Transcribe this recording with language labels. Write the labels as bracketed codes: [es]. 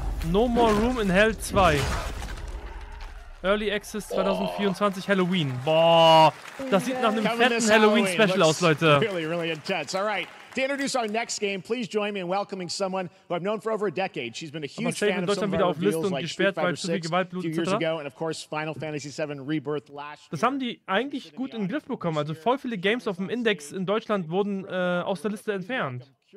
[en] No More Room in Hell 2. Early Access 2024 Halloween. [de] Boah, das sieht nach einem fetten Halloween Special aus, Leute. [en] Really, really intense. All right. To introduce our next game, please join me in welcoming someone who I've known for over a decade. She's been a huge fan of some of our reveals like Street Fighter 6 a few years ago and of course Final Fantasy 7 Rebirth last year. [de] Das haben die eigentlich gut in den Griff bekommen. Also voll viele Games auf dem Index in Deutschland wurden aus der Liste entfernt.